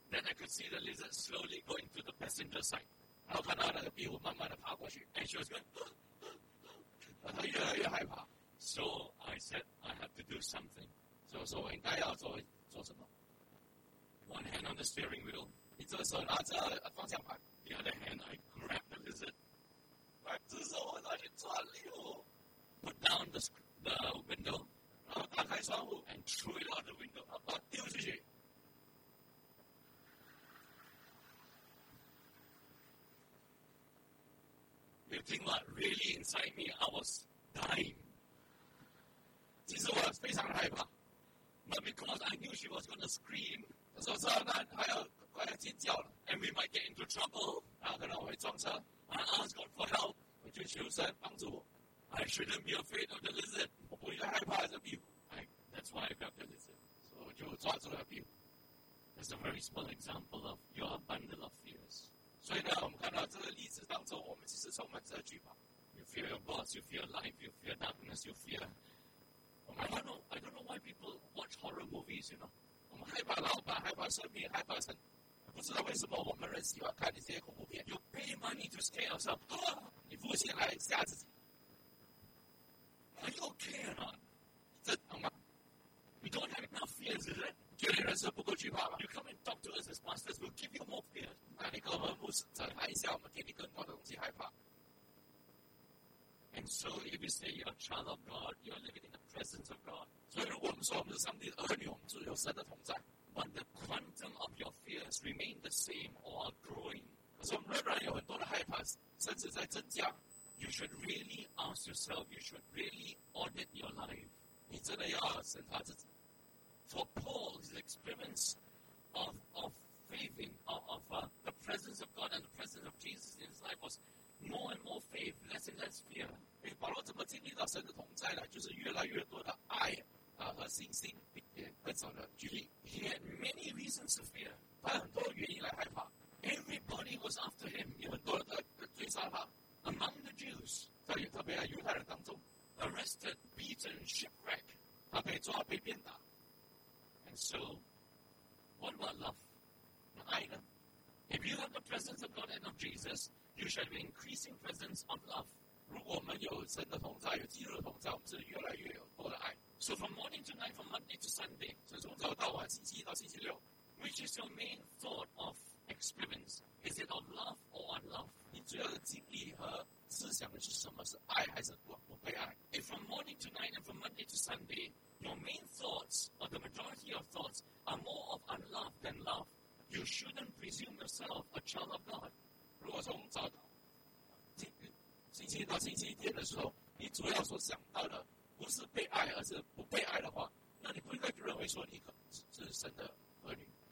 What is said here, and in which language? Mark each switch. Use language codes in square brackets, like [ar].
[en] Then I could see the lizard slowly going to the passenger side. [zh] 然后看到那个壁虎慢慢的爬过去。 [en] And she was going, [zh] 然后她越来越害怕。 [en] So I said, I have to do something. [zh] 所以我说我应该要做什么 [en] ？One hand on the steering wheel， [zh] 一只手拿着方向盘 [en] ；The other hand I grab the lizard， [zh] 把只手我拿去抓猎物 [en] ；Put down the window， [zh] 然后打开窗户 [en] ；And threw it out the window， [zh] 然后丢出去。 [en] You think what really inside me? I was dying。 [zh] 其实我非常害怕。 [en] But because I knew she was going to scream, so then I had to [zh] 尖叫了 [en] and we might get into trouble. [zh] 然后可能我会撞车 [en] I asked God for help. [zh] 我就求神帮助我 [en] I shouldn't be afraid of the lizard. [zh] 我不应该害怕这壁虎 [en] That's why I grabbed the lizard. [zh] 所以我就抓住了壁虎 [en] That's a very small example of your bundle of fears. [zh] 所以呢，我们看到这个例子当中，我们其实充满着惧怕 [en] You fear your boss. You fear life. You fear darkness. You fear. I don't know why people watch horror movies, you know. [zh] 我们害怕老板，害怕生命，害怕神。不知道为什么我们人喜欢看那些恐怖片。 [en] You pay money to scare yourself. [zh] 你付钱来吓自己。 [en] Are you okay or not? [zh] 正常吗 [en] ？We don't have enough fears, is it? [zh] 觉得人生不够惧怕吗 [en] ？You come and talk to us as pastors, we'll give you more fears. [zh] 那你跟我们牧师谈一下，我们给你更多的东西害怕。 [en] And so, if you say you are a child of God, you are living in the presence of God. [zh] 所以如果我们说我们是上帝的儿女，我们是有神的同在。 [en] But the quantum of your fears remain the same or are growing. [zh] 可是我们仍然有很多的害怕，甚至在增加。 [en] You should really ask yourself. You should really audit your life. [zh] 你真的要审查自己。 [en] For Paul, his experience of faith in of the presence of God and the presence of Jesus in his life was. More and more faith, less and less fear. [zh] 哎，保罗怎么经历到神的同在呢？就是越来越多的爱啊和信心，并且更少的距离。 [en] He had many reasons to fear. [zh] 他很多原因来害怕。 [en] Everybody was after him. [zh] 有很多人在追杀他。 [en] Among the Jews, [zh] 在特别在犹太人当中 [en] ，arrested, beaten, shipwrecked. [zh] 他被抓，被鞭打。 [en] And so, what about love? [zh] 那爱呢 [en] ？If you have the presence of God and of Jesus. You should have an increasing presence of love. [zh] 如果我们有神的同在，有基督的同在，我们是越来越有多的爱。 [en] So from morning to night, from Monday to Sunday, [zh] 所以从早到晚，星期一到星期六 [en] ，which is your main thought of experience? Is it of love or unlove? [zh] 你主要的经历和思想的是什么？是爱还是不被爱 [en] ？If from morning to night and from Monday to Sunday, your main thoughts or the majority of thoughts are more of unlove than love, you shouldn't presume yourself a child of God. [zh] 如果从早到星期一到星期天的时候，你主要所想到的不是被爱，而是不被爱的话，那你不应该就认为说你可是神的儿女。